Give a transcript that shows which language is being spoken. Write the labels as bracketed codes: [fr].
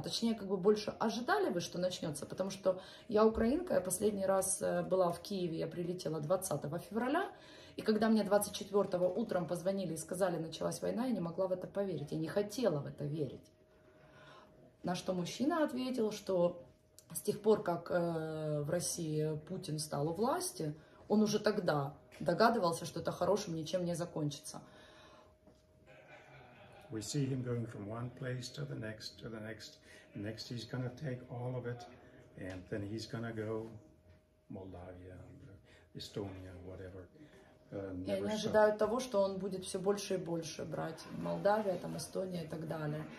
[ru] Точнее, как бы больше ожидали вы, что начнется? Потому что я украинка, я последний раз была в Киеве, я прилетела 20 февраля, и когда мне 24 утром позвонили и сказали, началась война, я не могла в это поверить, я не хотела в это верить. На что мужчина ответил, что с тех пор, как в России Путин стал у власти, он уже тогда догадывался, что это хорошим ничем не закончится. [en] We see him going from one place to the next, and next he's gonna take all of it, and then he's gonna go Moldavia, Estonia, whatever. [ru] И они ожидают того, что он будет все больше и больше брать Молдавия, там Эстония и так далее.